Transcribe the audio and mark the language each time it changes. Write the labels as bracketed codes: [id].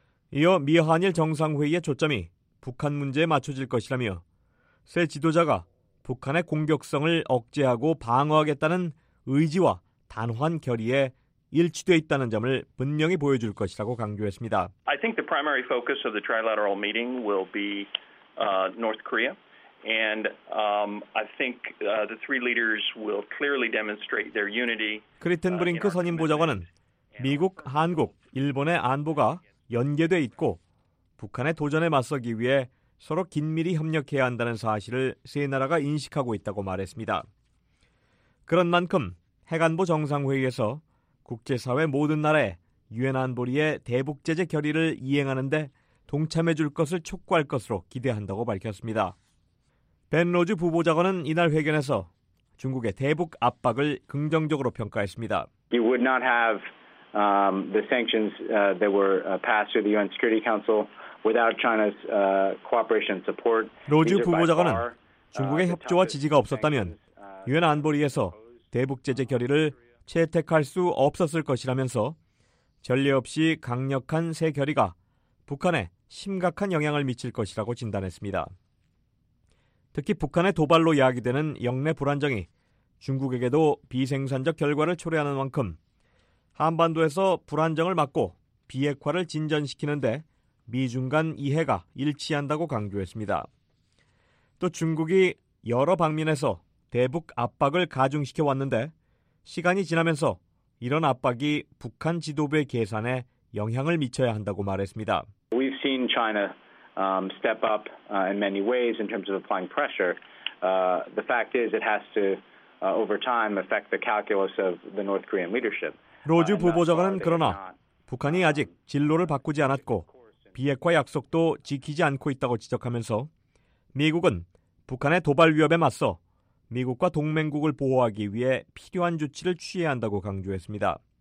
[ko] 이어 미한일 정상회의의 초점이 북한 문제에 맞춰질 것이라며 새 지도자가 북한의 공격성을 억제하고 방어하겠다는 의지와 단호한 결의에 일치돼 있다는 점을 분명히 보여줄 것이라고 강조했습니다. [en] I think the primary focus of the trilateral meeting will be North Korea, and I think the three leaders will clearly demonstrate their unity. [ko] 크리튼 브링크 선임 보좌관은 미국, 한국, 일본의 안보가 연계돼 있고 북한의 도전에 맞서기 위해 서로 긴밀히 협력해야 한다는 사실을 세 나라가 인식하고 있다고 말했습니다. 그런 만큼 핵안보 정상회의에서 국제사회 모든 나라에 유엔 안보리의 대북제재 결의를 이행하는 데 동참해 줄 것을 촉구할 것으로 기대한다고 밝혔습니다. 벤 로즈 부보좌관은 이날 회견에서 중국의 대북 압박을 긍정적으로 평가했습니다. [en] You would not have the sanctions that were passed through the UN Security Council without China's cooperation support. [ko] 로즈 부보좌관은 중국의 협조와 지지가 없었다면 유엔 안보리에서 대북 제재 결의를 채택할 수 없었을 것이라면서 전례 없이 강력한 새 결의가 북한에 심각한 영향을 미칠 것이라고 진단했습니다. 특히 북한의 도발로 야기되는 영내 불안정이 중국에게도 비생산적 결과를 초래하는 만큼 한반도에서 불안정을 막고 비핵화를 진전시키는 데 미중 간 이해가 일치한다고 강조했습니다. 또 중국이 여러 방면에서 대북 압박을 가중시켜 왔는데 시간이 지나면서 이런 압박이 북한 지도부의 계산에 영향을 미쳐야 한다고 말했습니다. [en] We've seen China step up in many ways in terms of applying pressure. The fact is it has to over time affect the calculus of the North Korean leadership. [ko] 로즈 부보좌관은 그러나 북한이 아직 진로를 바꾸지 않았고 비핵화 약속도 지키지 않고 있다고 지적하면서 미국은 북한의 도발 위협에 맞서 미국과 동맹국을 보호하기 위해 필요한 조치를 취해야 한다고 강조했습니다.